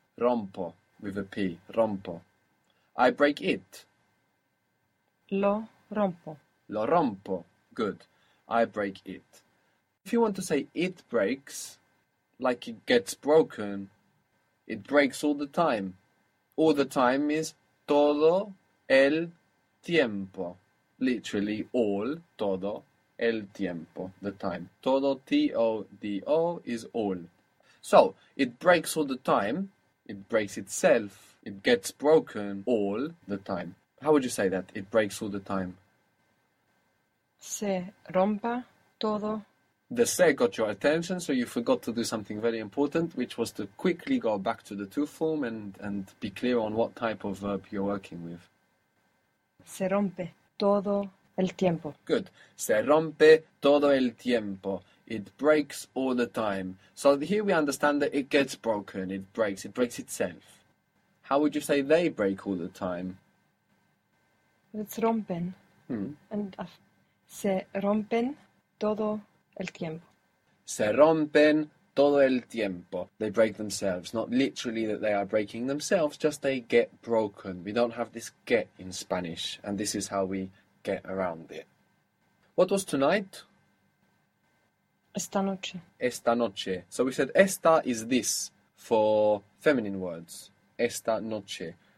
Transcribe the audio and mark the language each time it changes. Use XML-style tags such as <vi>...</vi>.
<en>Rompo, with a P. Rompo. I break it.</en> <es>Lo rompo. Lo rompo.</es> <en>Good. I break it. If you want to say it breaks, like it gets broken, it breaks all the time. All the time is</en> <es>todo el tiempo.</es> <en>Literally all,</en> <es>todo el tiempo,</es> <en>the time. Todo, T-O-D-O, is all. So, it breaks all the time. It breaks itself. It gets broken all the time. How would you say that? It breaks all the time.</en> <es>Se rompa todo.</es> <en>The se got your attention, so you forgot to do something very important, which was to quickly go back to the to form and be clear on what type of verb you're working with.</en> <es>Se rompe todo el tiempo.</es> <en>Good.</en> <es>Se rompe todo el tiempo.</es> <en>It breaks all the time. So here we understand that it gets broken. It breaks itself. How would you say they break all the time?</en> <es>Let's rompen and se rompen todo el tiempo. Se rompen todo el tiempo.</es> <en>They break themselves. Not literally that they are breaking themselves, just they get broken. We don't have this get in Spanish, and this is how we get around it. What was tonight?</en> <es>Esta noche. Esta noche.</es> <en>So we said esta is this for feminine words.</en> <es>Esta noche.</es>